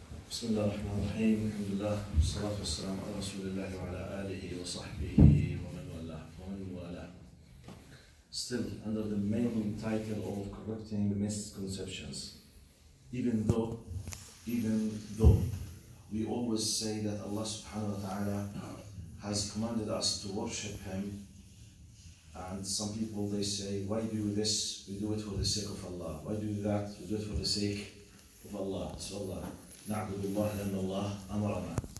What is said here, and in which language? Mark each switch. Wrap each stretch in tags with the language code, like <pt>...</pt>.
<ar>بسم الله الرحمن الرحيم الحمد لله والصلاة والسلام على رسول الله وعلى آله وصحبه ومن والاه ومن والاه.</ar> <en>Still under the main title of correcting misconceptions, even though we always say that Allah subhanahu wa ta'ala has commanded us to worship Him, and some people they say, why do this? We do it for the sake of Allah. Why do that? We do it for the sake of Allah. So Allah.</en> <ar>نعبد الله لأن الله أمرنا.</ar>